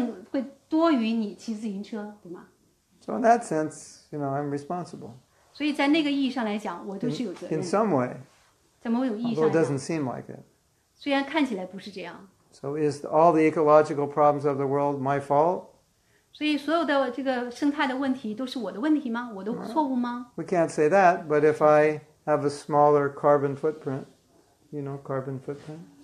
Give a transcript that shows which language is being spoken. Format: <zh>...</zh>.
<zh>当你买了一个电车的时候，你可能开这个电车所给这个地球带来的污染，会多于你骑自行车，对吗？</zh> <en>So in that sense, you know, I'm responsible.</en> <zh>所以在那个意义上来讲，我都是有责任的。</zh> <en>In some way.</en> <zh>在某种意义上来讲。</zh> <en>Although it doesn't seem like it.</en> <zh>虽然看起来不是这样。</zh> <en>So is all the ecological problems of the world my fault?</en> <zh>所以所有的这个生态的问题都是我的问题吗? 我的错误吗?</zh> <en>We can't say that, but if I have a smaller carbon footprint, you know, carbon footprint?</en>